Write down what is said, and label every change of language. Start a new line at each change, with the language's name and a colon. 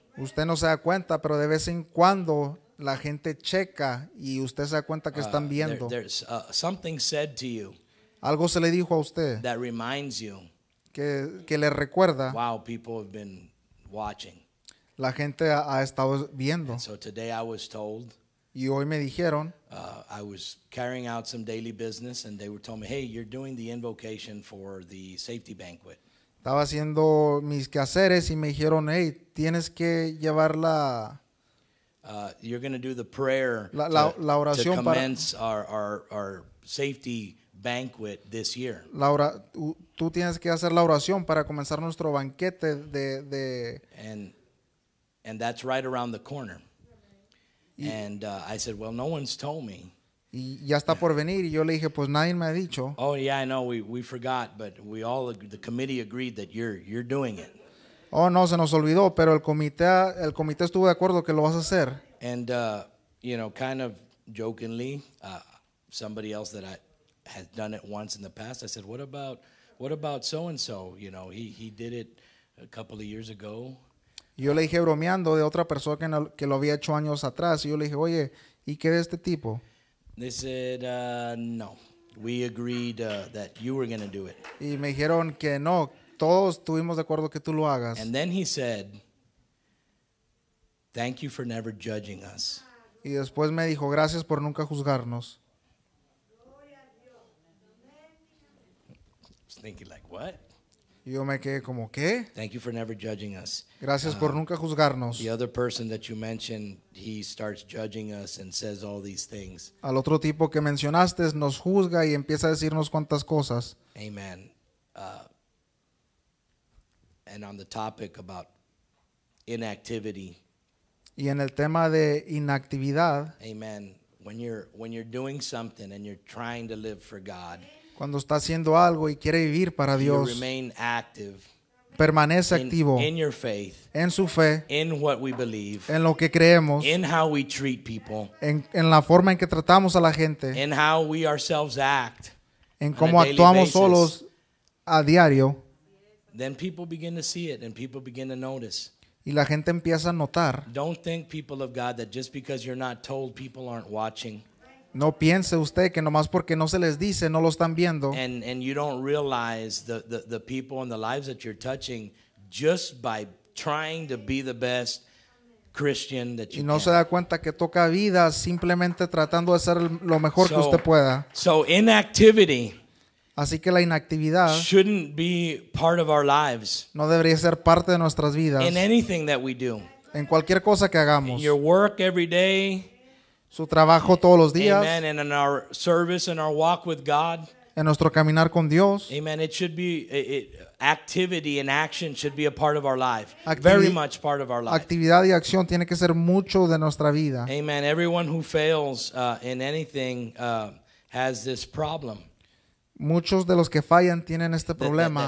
Spanish: Usted no se da cuenta, pero de vez en cuando la gente checa y usted se da cuenta que están viendo.
English: There's something said to you.
Spanish: Algo se le dijo a usted.
English: That reminds you.
Spanish: Que le recuerda.
English: Wow, people have been watching.
Spanish: La gente ha estado viendo.
English: And so today I was told.
Spanish: Y hoy me dijeron.
English: I was carrying out some daily business and they were telling me, hey, you're doing the invocation for the safety banquet.
Spanish: Estaba haciendo mis quehaceres y me dijeron, hey, tienes que llevar la.
English: You're going to do the prayer
Spanish: la oración
English: to commence our safety banquet this year.
Spanish: Laura, tú tienes que hacer la oración para comenzar nuestro banquete de.
English: And that's right around the corner. And I said, well, no one's told me.
Spanish: Y ya está por venir. Y yo le dije, pues nadie me ha dicho.
English: Oh yeah, I know. We forgot, but we all agreed, the committee agreed that you're doing it.
Spanish: Oh no, se nos olvidó, pero el comité estuvo de acuerdo que lo vas a hacer.
English: And you know, kind of jokingly, somebody else that I had done it once in the past, I said, what about so and so? You know, he did it a couple of years ago.
Spanish: Yo le dije bromeando de otra persona que lo había hecho años atrás. Y yo le dije, oye, ¿y qué de este tipo?
English: They said, no, we agreed that you were going to do it.
Spanish: Y me dijeron que no. Todos estuvimos de acuerdo que tú lo hagas.
English: And then he said, thank you for never judging us.
Spanish: Y después me dijo, gracias por nunca juzgarnos.
English: I was thinking like, what?
Spanish: Yo me quedé como, ¿qué?
English: Thank you for never judging us.
Spanish: Gracias por nunca juzgarnos.
English: The other person that you mentioned, he starts judging us and says all these things.
Spanish: Al otro tipo que mencionaste, nos juzga y empieza a decirnos cuantas cosas.
English: Amen. And on the topic about inactivity.
Spanish: Y en el tema de inactividad.
English: Amen. When you're doing something and you're trying to live for God.
Spanish: Cuando está haciendo algo y quiere vivir para Dios.
English: You remain active.
Spanish: Permanece activo.
English: In your faith.
Spanish: En su fe.
English: In what we believe.
Spanish: En lo que creemos.
English: In how we treat people.
Spanish: En la forma en que tratamos a la gente.
English: In how we ourselves act.
Spanish: En cómo actuamos solos a diario.
English: Then people begin to see it and people begin to notice.
Spanish: Y la gente empieza a notar.
English: Don't think, people of God, that just because you're not told, people aren't watching.
Spanish: No piense usted que nomás porque no se les dice, no lo están viendo.
English: And you don't realize the people and the lives that you're touching just by trying to be the best Christian that you can.
Spanish: Y no se da cuenta que toca vidas simplemente tratando de ser lo mejor que usted pueda.
English: So inactivity.
Spanish: Así que la inactividad
English: shouldn't be part of our lives.
Spanish: No debería ser parte de nuestras vidas.
English: In anything that we do.
Spanish: En cualquier cosa que hagamos.
English: In your work every day.
Spanish: Su trabajo todos los días.
English: Amen. And in our service and our walk with God.
Spanish: En nuestro caminar con Dios.
English: Amen. It should be activity and action should be a part of our life. Very much part of our life.
Spanish: Actividad y acción tiene que ser mucho de nuestra vida.
English: Amen. Everyone who fails in anything has this problem.
Spanish: Muchos de los que fallan tienen este problema.